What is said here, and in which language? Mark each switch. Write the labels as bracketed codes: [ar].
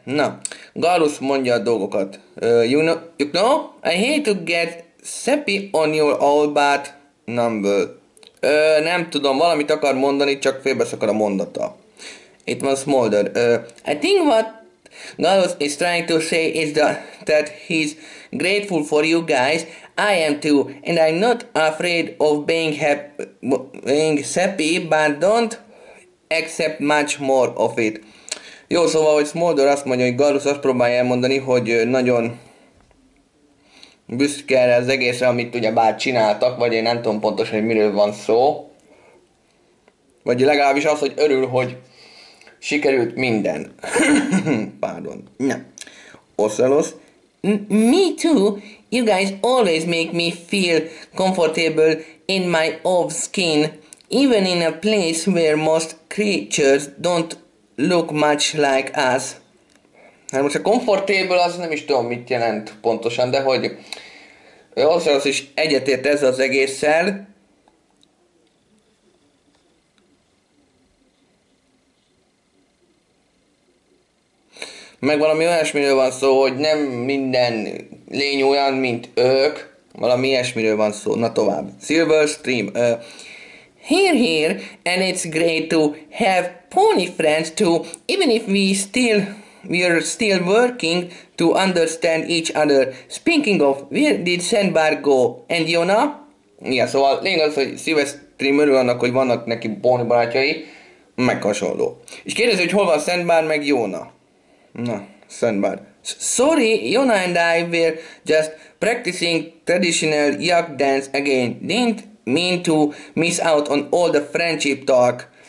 [hu] Na, Galus mondja a dolgokat. [en] You know, I hate to get sappy on your old bat number. [hu] Nem tudom, valamit akar mondani, csak félbeszakad a mondata. [en] It was Mulder. I think what Galus is trying to say is that he's grateful for you guys. I am too, and I'm not afraid of being sappy, but don't accept much more of it. [hu] Jó, szóval, hogy Smolder azt mondja, hogy Galus azt próbálja elmondani, hogy nagyon büszke erre az egészre, amit ugye bár csináltak, vagy én nem tudom pontosan, hogy miről van szó. Vagy legalábbis az, hogy örül, hogy sikerült minden. Pardon. Na. Ocelos. [en] Me too. You guys always make me feel comfortable in my off skin, even in a place where most creatures don't look much like us. [hu] Hát most a comfortable az nem is tudom mit jelent pontosan, de hogy az is egyetért ez az egésszel. Meg valami olyasmiről van szó, hogy nem minden lény olyan, mint ők. Valami ilyesmiről van szó. Na tovább. Silver Stream. [en] Here, and it's great to have pony friends too, even if we're still working to understand each other. Speaking of, where did Sandbar go? And Yona? [hu] Ja, szóval lényeg az, hogy Silver Stream örül annak, hogy vannak neki pony barátjai, meg hasonló. És kérdezi, hogy hol van Sandbar meg Yona? Na, Sandbar. [en] Sorry, Yona and I were just practicing traditional yak dance again, didn't mean to miss out on all the friendship talk.